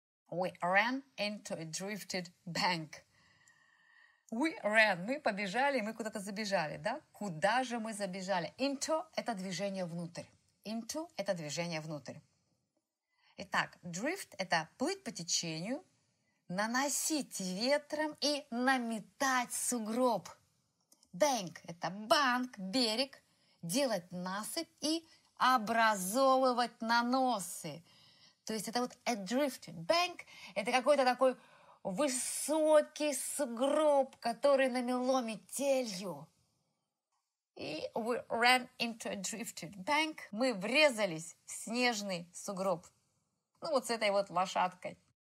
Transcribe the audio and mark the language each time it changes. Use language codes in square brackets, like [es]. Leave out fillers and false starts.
[en] We ran into a drifted bank. We ran. [ru] Мы побежали, мы куда-то забежали, да? Куда же мы забежали? Into – это движение внутрь. Into – это движение внутрь. Итак, drift – это плыть по течению, наносить ветром и наметать сугроб. Bank – это банк, берег, делать насыпь и образовывать наносы. То есть это вот [en] a drifted bank [ru] – это какой-то такой высокий сугроб, который намело метелью. И [en] we ran into a drifted bank. [ru] Мы врезались в снежный сугроб. Ну вот с этой вот лошадкой.